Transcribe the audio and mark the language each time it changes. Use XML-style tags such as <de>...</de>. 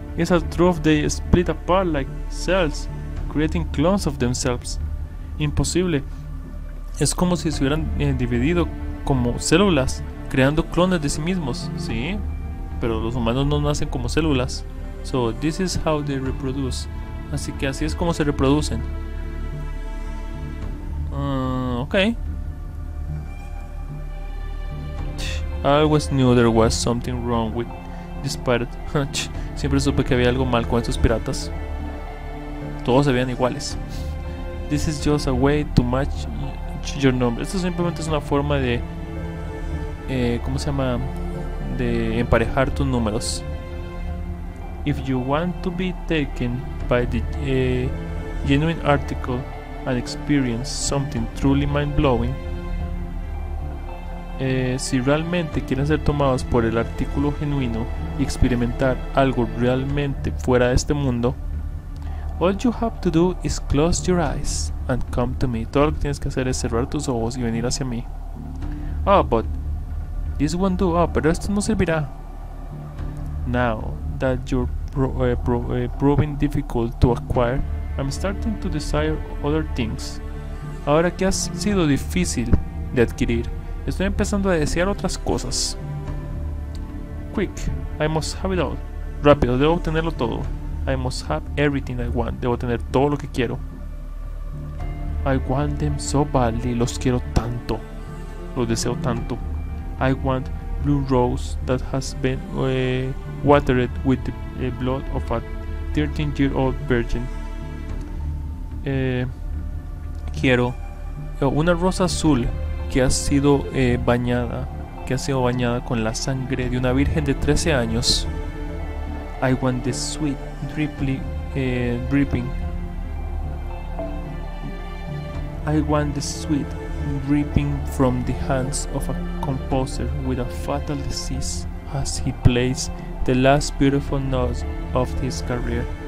<en>It's a truth they split apart like cells, creating clones of themselves.</en> <es>Imposible. Es como si se hubieran dividido como células, creando clones de sí mismos, ¿sí? Pero los humanos no nacen como células.</es> <en>So, this is how they reproduce.</en> <es>Así que así es como se reproducen. Ok.</es> <en>I always knew there was something wrong with this pirate.</en> <es>Siempre supe que había algo mal con estos piratas. Todos se veían iguales.</es> <en>This is just a way to match your number.</en> <es>Esto simplemente es una forma de... ¿cómo se llama? De emparejar tus números.</es> <en>If you want to be taken by the genuine article and experience something truly mind-blowing,</en> <es>si realmente quieren ser tomados por el artículo genuino y experimentar algo realmente fuera de este mundo,</es> <en>all you have to do is close your eyes and come to me.</en> <es>Todo lo que tienes que hacer es cerrar tus ojos y venir hacia mí.</es> <en>Oh, but this won't do.</en> <es>Oh, pero esto no servirá.</es> <en>Now that you're proving difficult to acquire, I'm starting to desire other things.</en> <es>Ahora que has sido difícil de adquirir, estoy empezando a desear otras cosas.</es> <en>Quick, I must have it all.</en> <es>Rápido, debo obtenerlo todo.</es> <en>I must have everything I want.</en> <es>Debo tener todo lo que quiero.</es> <en>I want them so badly.</en> <es>Los quiero tanto. Los deseo tanto.</es> <en>I want blue rose that has been watered with the blood of a 13-year-old virgin.</en> <es>Quiero una rosa azul que ha sido bañada, que ha sido bañada con la sangre de una virgen de 13 años.</es> <en>I want the sweet dripping. I want the sweet dripping from the hands of a composer with a fatal disease as he plays the last beautiful notes of his career.</en>